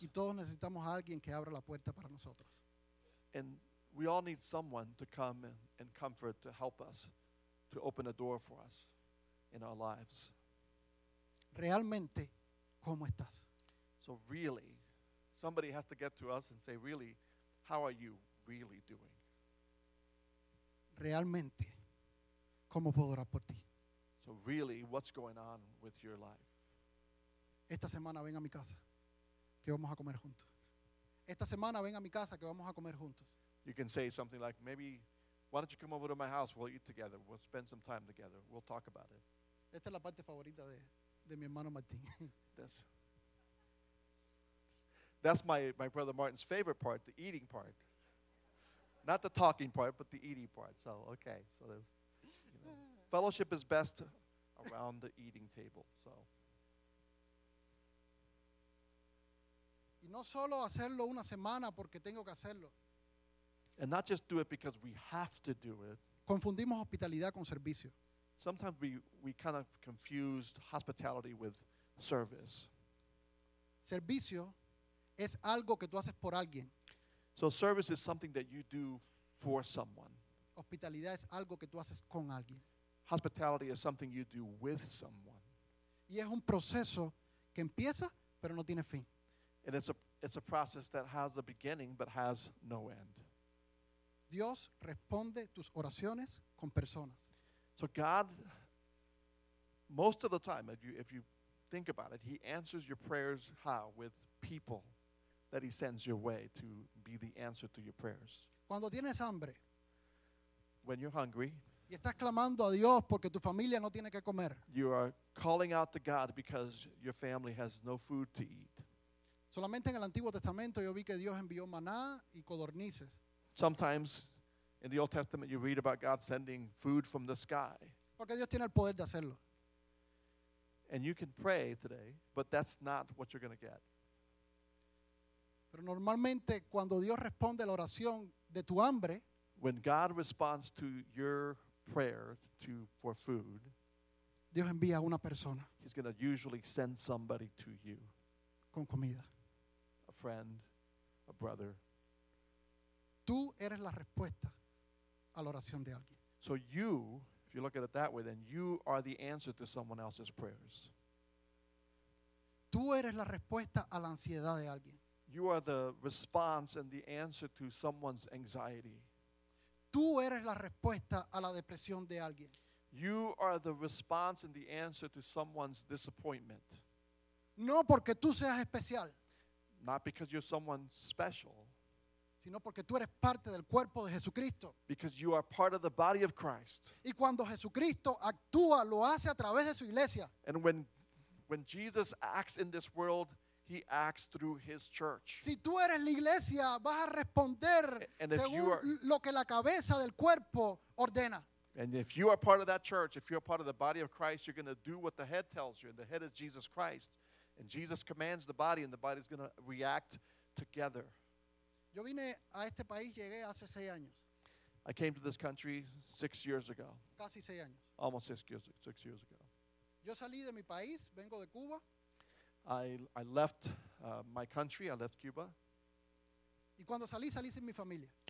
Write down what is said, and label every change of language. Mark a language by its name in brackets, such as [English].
[Spanish] Y todos necesitamos a alguien que abra la puerta para nosotros. [English] And we all need someone to come and comfort, to help us, to open a door for us in our lives. [Spanish] Realmente, ¿cómo estás? [English] So really, somebody has to get to us and say, really, how are you really doing? [Spanish] Realmente, ¿cómo puedo orar por ti? [English] So really, what's going on with your life? [Spanish] Esta semana ven a mi casa, que vamos a comer juntos. Esta semana ven a mi casa, que vamos a comer juntos. [English] You can say something like, maybe Why don't you come over to my house? We'll eat together. We'll spend some time together. We'll talk about it. [Spanish] Esta es la parte favorita de mi hermano Martín. [English] That's my brother Martin's favorite part, the eating part. Not the talking part, but the eating part. So, okay. So, fellowship is best around the eating table. So. [Spanish] Y no solo hacerlo una semana porque tengo que hacerlo. [English] And not just do it because we have to do it. [Spanish] Confundimos hospitalidad con servicio. [English] Sometimes we kind of confused hospitality with service. [Spanish] Servicio es algo que tú haces por alguien. [English] So service is something that you do for someone. [Spanish] Hospitalidad es algo que tú haces con alguien. [English] Hospitality is something you do with someone. [Spanish] Y es un proceso que empieza pero no tiene fin. [English] And it's a process that has a beginning but has no end. [Spanish] Dios responde tus oraciones con personas. [English] So God, most of the time, if you think about it, he answers your prayers how? With people that he sends your way to be the answer to your prayers. [Spanish] Cuando tienes hambre. [English] When you're hungry. [Spanish] Y estás clamando a Dios porque tu familia no tiene que comer. [English] You are calling out to God because your family has no food to eat. [Spanish] Solamente en el Antiguo Testamento yo vi que Dios envió maná y codornices. [English] Sometimes in the Old Testament you read about God sending food from the sky. [Spanish] Porque Dios tiene el poder de hacerlo. [English] And you can pray today, but that's not what you're going to get. [Spanish] Pero normalmente cuando Dios responde la oración de tu hambre, [English] when God responds to your prayer for food, [Spanish] Dios envía a una persona. [English] He's going to usually send somebody to you. [Spanish] Con comida. [English] A friend, a brother. [Spanish] Tú eres la respuesta a la oración de alguien. [English] So you, if you look at it that way, then you are the answer to someone else's prayers. [Spanish] Tú eres la respuesta a la ansiedad de alguien. [English] You are the response and the answer to someone's anxiety. [Spanish] Tú eres la respuesta a la depresión de alguien. [English] You are the response and the answer to someone's disappointment. [Spanish] No porque tú seas especial. [English] Not because you're someone special. [Spanish] Sino porque tú eres parte del cuerpo de Jesucristo. [English] Because you are part of the body of Christ. [Spanish] Y cuando Jesucristo actúa, lo hace a través de su iglesia. [English] And when Jesus acts in this world, he acts through his church. [Spanish] Si tú eres la iglesia, vas a responder según lo que la cabeza del cuerpo ordena. [English] And if you are part of that church, if you are part of the body of Christ, you're going to do what the head tells you. And the head is Jesus Christ. And Jesus commands the body, and the body is going to react together. [Spanish] Yo vine a este país, llegué hace 6 años. [English] I came to this country 6 years ago. [Spanish] Casi 6 años. [English] Almost 6 years ago. [Spanish] Yo salí de mi país, vengo de Cuba. [English] I left my country, I left Cuba. [Spanish] Y cuando salí, salí sin mi familia.